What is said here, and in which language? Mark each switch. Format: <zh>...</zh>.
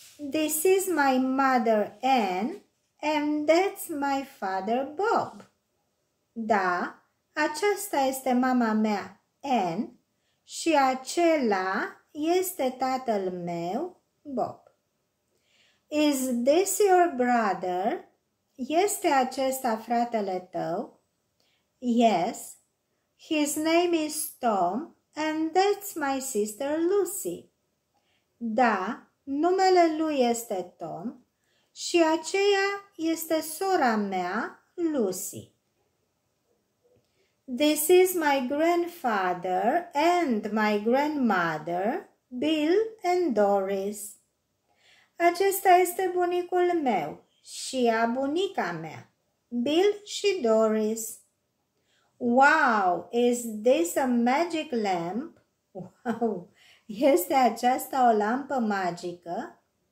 <en>This is my mother, Anne, and that's my father, Bob.</en> <ro>Da, aceasta este mama mea, Anne, și acela este tatăl meu, Bob.</ro> <en>Is this your brother?</en> <ro>Este acesta fratele tău?</ro> <en>Yes. His name is Tom and that's my sister Lucy.</en> <ro>Da, numele lui este Tom și aceea este sora mea, Lucy.</ro> <en>This is my grandfather and my grandmother, Bill and Doris.</en> <ro>Acesta este bunicul meu și a bunica mea, Bill și Doris.</ro> <en>Wow, is this a magic lamp?</en> <ro>Wow, este aceasta o lampă magică?</ro>